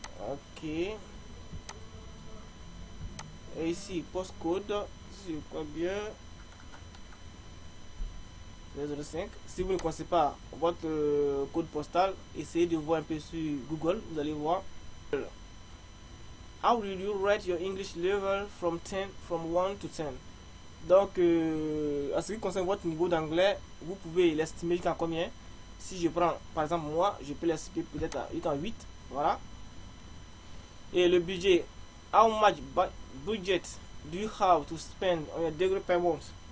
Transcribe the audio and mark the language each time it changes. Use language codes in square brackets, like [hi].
[fr] Ok. Et ici, postcode, si je crois bien. 05. Si vous ne connaissez pas votre code postal, essayez de voir un peu sur Google, vous allez voir. [en] How will you rate your English level from 1 to 10? [fr] Donc, en ce qui concerne votre niveau d'anglais, vous pouvez l'estimer jusqu'à combien? Si je prends, par exemple, moi, je peux l'estimer peut-être jusqu'à 8. Voilà. Et le budget. [en] How much budget do you have to spend on your degree per month?